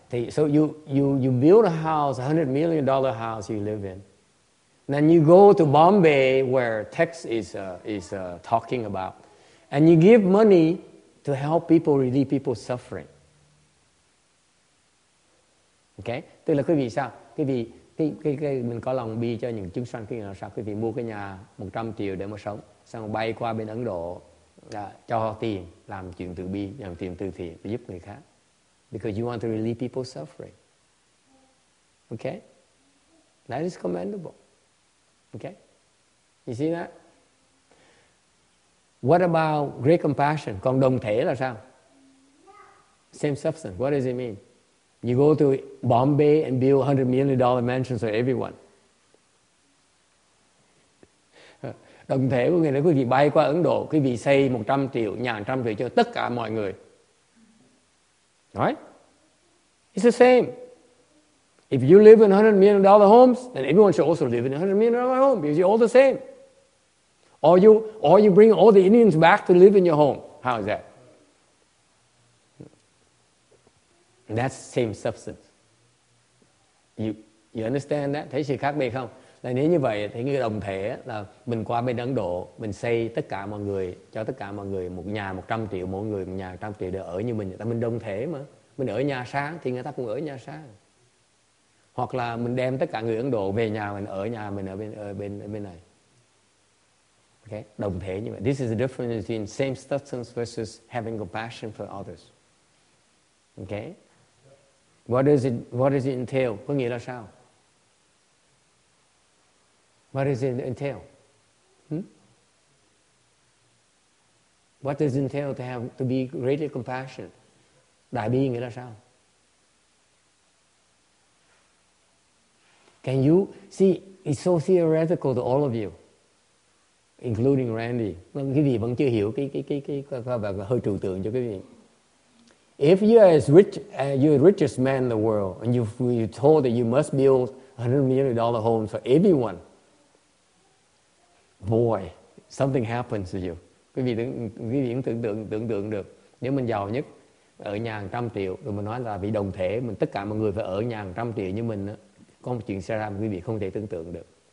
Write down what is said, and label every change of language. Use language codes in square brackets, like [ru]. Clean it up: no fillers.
[en] So you build a house, $100 million house you live in. Then you go to Bombay where tax is talking about, and you give money to help people relieve people's suffering. [vi] Okay? Tức là quý vị sao? Quý vị mình có lòng bi cho những chúng sanh, quý vị là sao? Quý vị mua cái nhà 100 triệu để mà sống, xong bay qua bên Ấn Độ. Cho tiền, làm chuyện từ bi, làm tiền từ thiện, giúp người khác. [en] Because you want to relieve people's suffering. Okay? That is commendable. Okay? You see that? What about great compassion? [vi] Còn đồng thể là sao? [en] Same substance. What does it mean? You go to Bombay and build $100 million mansions for everyone. [vi] Đồng thể của người đó, quý vị bay qua Ấn Độ, quý vị xây 100 triệu, nhà 100 triệu cho tất cả mọi người. [en] Right? It's the same. If you live in $100 million homes, then everyone should also live in $100 million home because you're all the same. Or you bring all the Indians back to live in your home. How is that? And that's the same substance. You understand that? [vi] Thấy sự khác biệt không? Là nếu như vậy thì cái đồng thể là mình qua bên Ấn Độ, mình xây tất cả mọi người, cho tất cả mọi người một nhà 100 triệu, mỗi người một nhà 100 triệu để ở như mình. Tại mình đồng thể mà. Mình ở nhà sáng thì người ta cũng ở nhà sáng. Hoặc là mình đem tất cả người Ấn Độ về nhà mình, ở nhà mình ở bên này. [en] Okay? [vi] Đồng thể như vậy. [en] This is the difference between same substance versus having compassion for others. Okay? What does it entail? [vi] Có nghĩa là sao? [en] What does it entail? Hmm? What does it entail to have to be greater compassion? [vi] Đại bi nghĩa là sao? [en] Can you see? It's so theoretical to all of you, including Randy. [vi] Quý vị vẫn chưa hiểu cái hơi trừu tượng cho quý vị. [en] If you are as rich, you're the richest man in the world, and you told that you must build $100 million home for everyone. Boy, something happens to you. [vi] quý vị tưởng tượng được, nếu mình giàu nhất ở nhà 100 triệu, rồi mình nói là vị đồng thể mình, tất cả mọi người phải ở nhà 100 triệu như mình, có một chuyện xảy ra quý vị không thể tưởng tượng được.